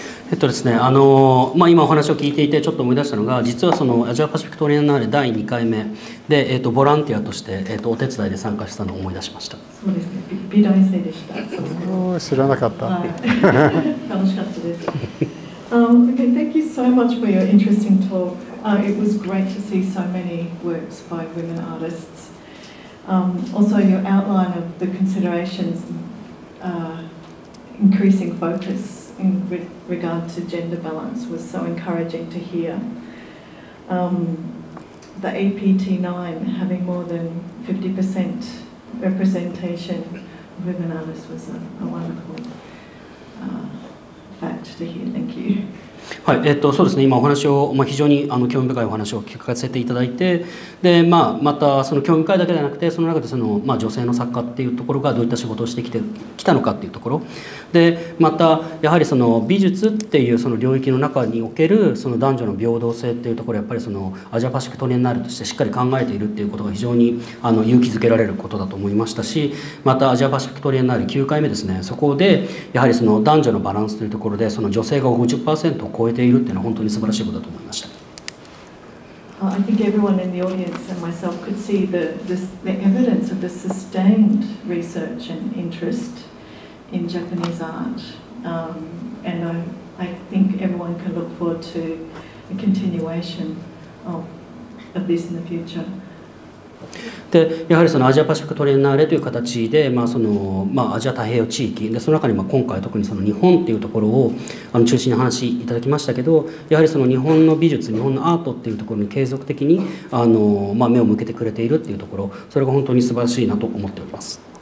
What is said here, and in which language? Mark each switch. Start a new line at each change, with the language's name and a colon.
Japanese: ですね、まあ、今お話を聞いていてちょっと思い出したのが、実はそのアジアパシフィックトリエンナーレ第2回目で、ボランティアとして、お手伝いで参加したのを思い出しました。そうですね、美大生でした。知らなかった、はい、楽しかったです。
English: okay, Thank you so much for your interesting talk. It was great to see so many works by women artists. Also your outline of the considerations, increasing focus in regard to gender balance was so encouraging to hear. The APT9 having more than 50% representation of women artists was a wonderful fact to hear. Thank you.
Japanese: はい、そうですね、今お話を、まあ、非常に興味深いお話を聞かせていただいて、で、まあ、またその興味深いだけではなくて、その中でその、まあ、女性の作家っていうところがどういった仕事をしてきてきたのかっていうところで、またやはりその美術っていうその領域の中におけるその男女の平等性っていうところ、やっぱりそのアジアパシフィックトリエンナーレとしてしっかり考えているっていうことが非常に勇気づけられることだと思いましたし、またアジアパシフィックトリエンナーレ9回目ですね、そこでやはりその男女のバランスというところで、その女性が 50% を超えているっていうのは本当に素晴らしいことだと思いました。
English: I think everyone in the audience and myself could see the evidence of the sustained research and interest in Japanese art, and I think everyone can look forward to a continuation of this in the future.
Japanese: でやはりそのアジアパシフィックトリエンナーレという形で、まあそのまあ、アジア太平洋地域で、その中にまあ今回特にその日本というところを中心に話しいただきましたけど、やはりその日本の美術、日本のアートというところに継続的に目を向けてくれているというところ、それが本当に素晴らしいなと思っております。